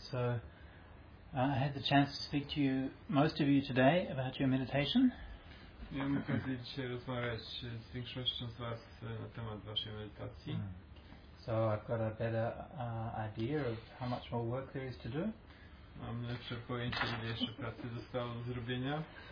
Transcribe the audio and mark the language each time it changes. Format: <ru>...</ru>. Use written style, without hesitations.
<en>So, I had the chance to speak to you, most of you today, about your meditation.</en> <pl>Ja mam okazję dzisiaj rozmawiać z większością z Was na temat Waszej medytacji.</pl> <en>So I've got a better idea of how much more work there is to do.</en> <pl>Mam lepsze pojęcie, ile jeszcze pracy zostało do zrobienia.</pl>